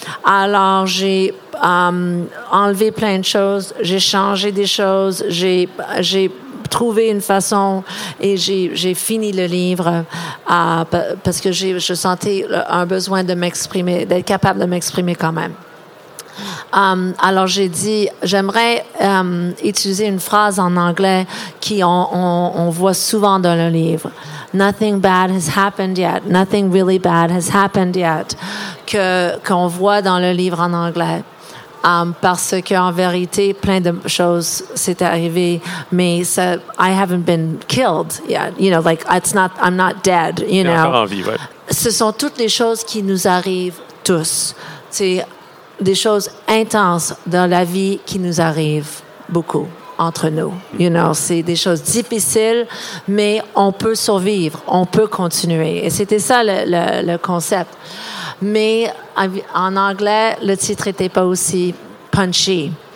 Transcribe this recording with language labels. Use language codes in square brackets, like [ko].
[fr] Alors, j'ai enlevé plein de choses, j'ai changé des choses, j'ai trouvé une façon et j'ai fini le livre parce que je sentais un besoin de m'exprimer, d'être capable de m'exprimer quand même. Alors, j'ai dit, j'aimerais utiliser une phrase en anglais qu'on voit souvent dans le livre. [en] Nothing bad has happened yet. Nothing really bad has happened yet. [fr] Qu'on voit dans le livre en anglais. Parce qu'en vérité, plein de choses s'est arrivé. Mais ça, [en] I haven't been killed yet. You know, like, I'm not dead, you know. [fr] Encore en vie, ouais. Ce sont toutes les choses qui nous arrivent tous. C'est des choses intenses dans la vie qui nous arrivent beaucoup. Entre nous, [en] you know, [fr] c'est des choses difficiles, mais on peut survivre, on peut continuer. Et c'était ça le concept. Mais en anglais, le titre n'était pas aussi punchy.